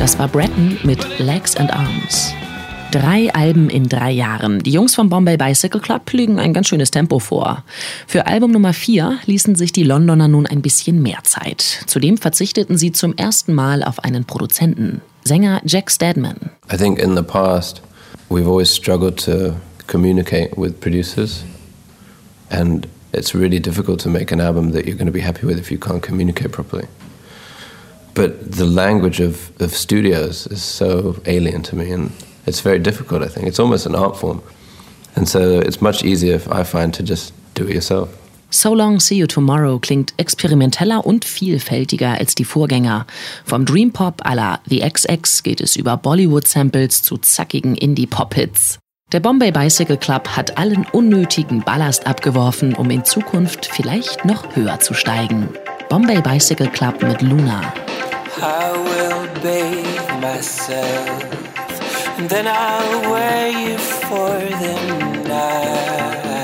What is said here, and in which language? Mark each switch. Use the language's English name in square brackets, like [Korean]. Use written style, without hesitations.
[German] Breton mit Legs and Arms. 3 Alben in 3 Jahren. Die Jungs vom Bombay Bicycle Club lügen ein ganz schönes Tempo vor. Für Album Nummer 4 ließen sich die Londoner nun ein bisschen mehr Zeit. Zudem verzichteten sie zum ersten Mal auf einen Produzenten. Sänger Jack Steadman. [English] I think in the past we've always struggled to communicate with producers. And it's really difficult to make an album that you're going to be happy with if you can't communicate properly. But the language of studios is so alien to me, and it's very difficult, I think. It's almost an art form. And so it's much easier, I find, to just do it yourself. [German] So Long, See You Tomorrow klingt experimenteller und vielfältiger als die Vorgänger. Vom Dream-Pop à la The XX geht es über Bollywood-Samples zu zackigen Indie-Pop-Hits. Der Bombay Bicycle Club hat allen unnötigen Ballast abgeworfen, um in Zukunft vielleicht noch höher zu steigen. Bombay Bicycle Club mit Luna. [English] I will bathe myself, and then I'll wear you for the night.